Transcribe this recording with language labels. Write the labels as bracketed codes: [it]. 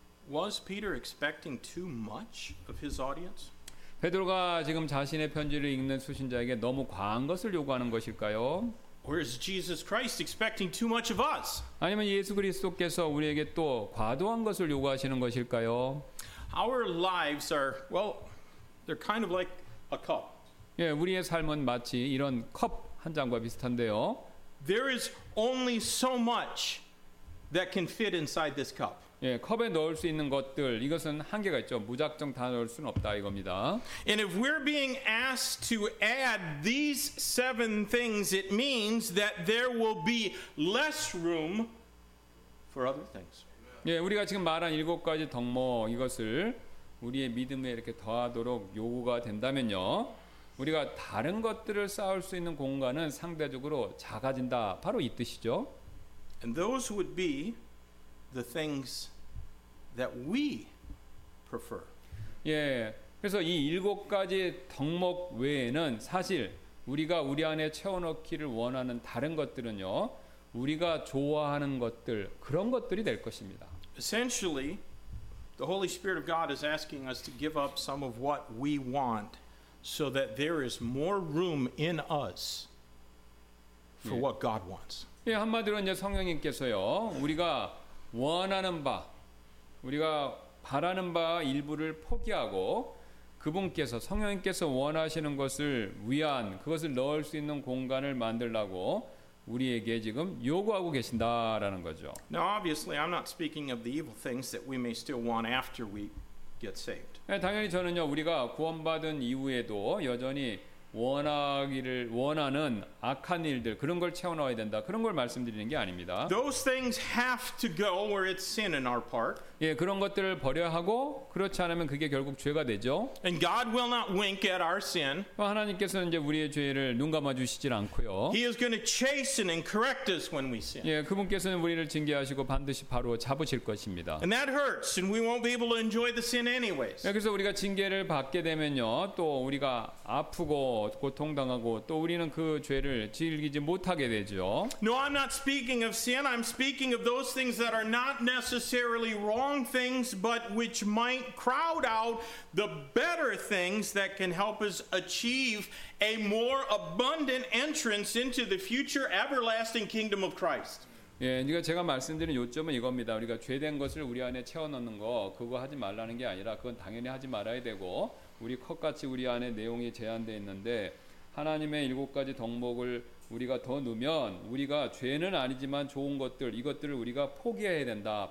[en] Was Peter expecting too much of his audience? [ko] 베드로가 지금 자신의 편지를 읽는 수신자에게 너무 과한 것을 요구하는 것일까요? [en] Or is Jesus Christ expecting too much of us? [ko] 아니면 예수 그리스도께서 우리에게 또 과도한 것을 요구하시는 것일까요? [en] Our lives are, well, they're kind of like a cup. [ko] 예, 우리의 삶은 마치 이런 컵 한 잔과 비슷한데요. [en] There is only so much that can fit inside this cup. [ko] 예, 컵에 넣을 수 있는 것들 이것은 한계가 있죠. 무작정 다 넣을 수는 없다 이겁니다. [en] And if we're being asked to add these seven things, it means that there will be less room for other things. [ko] 예, 우리가 지금 말한 일곱 가지 덕목 이것을 우리의 믿음에 이렇게 더하도록 요구가 된다면요, 우리가 다른 것들을 쌓을 수 있는 공간은 상대적으로 작아진다. 바로 이 뜻이죠. [en] And those would be the things that we prefer. [ko] 예, 그래서 이 일곱 가지 덕목 외에는 사실 우리가 우리 안에 채워넣기를 원하는 다른 것들은요, 우리가 좋아하는 것들 그런 것들이 될 것입니다. [en] Essentially, the Holy Spirit of God is asking us to give up some of what we want, so that there is more room in us for what God wants. [ko] 예, 한마디로 이제 성령님께서요, 우리가 원하는 바, 우리가 바라는 바 일부를 포기하고 그분께서 성령님께서 원하시는 것을 위한 그것을 넣을 수 있는 공간을 만들라고 우리에게 지금 요구하고 계신다라는 거죠. [en] Now, obviously, I'm not speaking of the evil things that we may still want after we get saved. [ko] 네, 당연히 저는요, 우리가 구원받은 이후에도 여전히 원하기를 원하는 악한 일들 그런 걸 채워넣어야 된다 그런 걸 말씀드리는 게 아닙니다. [en] Those things have to go where it's sin in our part. [ko] 예, 그런 것들을 버려야 하고 그렇지 않으면 그게 결국 죄가 되죠. [en] And God will not wink at our sin. [ko] 하나님께서는 이제 우리의 죄를 눈감아 주시질 않고요. [en] He is going to chasten and correct us when we sin. [ko] 예, 그분께서는 우리를 징계하시고 반드시 바로 잡으실 것입니다. [en] And that hurts, and we won't be able to enjoy the sin anyways. [ko] 예, 그래서 우리가 징계를 받게 되면요, 또 우리가 아프고 고통당하고 또 우리는 그 죄를 즐기지 못하게 되죠. [en] No, I'm not speaking of sin. I'm speaking of those things that are not necessarily wrong things, but which might crowd out the better things that can help us achieve a more abundant entrance into the future everlasting kingdom of Christ. [ko] 예, 그러니까 제가 말씀드리는 요점은 이겁니다. 우리가 죄된 것을 우리 안에 채워넣는 거 그거 하지 말라는 게 아니라 그건 당연히 하지 말아야 되고 우리 컵같이 우리 안에 내용이 제한되어 있는데 하나님의 일곱 가지 덕목을 우리가 더 넣으면 우리가 죄는 아니지만 좋은 것들 이것들을 우리가 포기해야 된다.